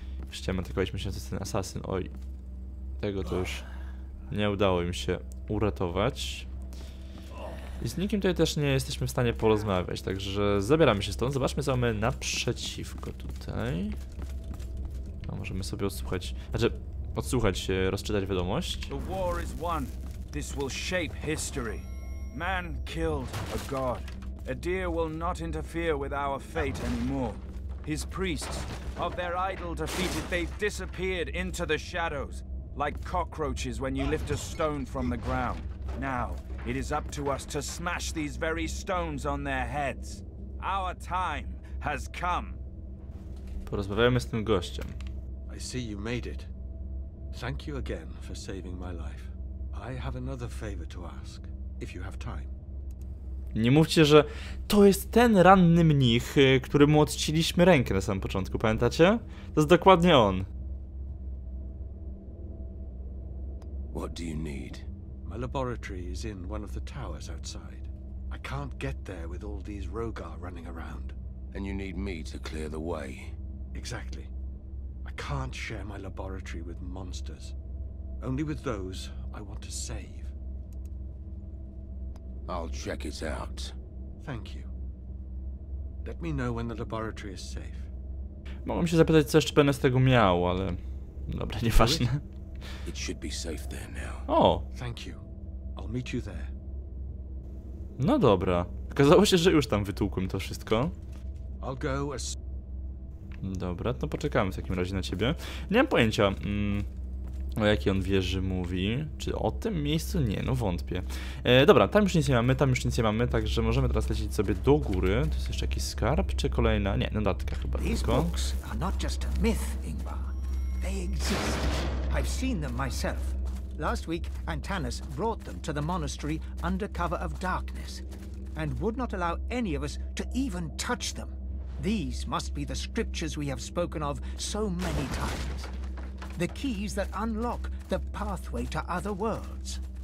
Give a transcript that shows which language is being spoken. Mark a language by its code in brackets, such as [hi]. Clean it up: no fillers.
[pl] Chciałem atakować myśląc, że ten asasyn, oj. Tego to już nie udało im się uratować. I z nikim tutaj też nie jesteśmy w stanie porozmawiać, także zabieramy się stąd. Zobaczmy, co mamy naprzeciwko tutaj. No, możemy sobie odsłuchać, znaczy odsłuchać, rozczytać wiadomość. [en] The war is won. This will shape history. Man killed a god. A deer will not interfere with our fate anymore. His priests, of their idol defeated, they've disappeared into the shadows, like cockroaches when you lift a stone from the ground. Now, it is up to us to smash these very stones on their heads. Our time has come. [pl] Porozmawiajmy z tym gościem. [en] I see you made it. Thank you again for saving my life. I have another favor to ask, if you have time. [pl] Nie mówcie, że to jest ten ranny mnich, któremu odcięliśmy rękę na samym początku, pamiętacie? To jest dokładnie on. [en] What do you need? My laboratory is in one of the towers outside. I can't get there with all these Rogar running around. And you need me to clear the way. Exactly. I can't share my laboratory with monsters. Only with those I want to save. I'll check it out. Thank you. Let me know when the laboratory is safe. [pl] Mogłem się zapytać, co jeszcze będę z tego miał, ale dobra, nieważne. [en] It should be safe there now. O. Thank you. I'll meet you there. [pl] No dobra. Okazało się, że już tam wytłukłem to wszystko. [en] I'll go as... [pl] Dobra, to poczekamy w takim razie na ciebie. Nie mam pojęcia. O jakiej on wieży mówi? Czy o tym miejscu? Nie, no wątpię. Dobra, tam już nic nie mamy, tam już nic nie mamy, także możemy teraz lecieć sobie do góry. To jest jeszcze jakiś skarb, czy kolejna? Nie, dodatka chyba tylko. Te książki nie są tylko mitem, Ingvar. One istnieją. Widziałem je sam. [en] Last week Antanas brought them to the monastery under cover of darkness and would not allow any of us to even touch them. These must be the scriptures we have spoken of so many times. The keys that unlock the pathway to other worlds.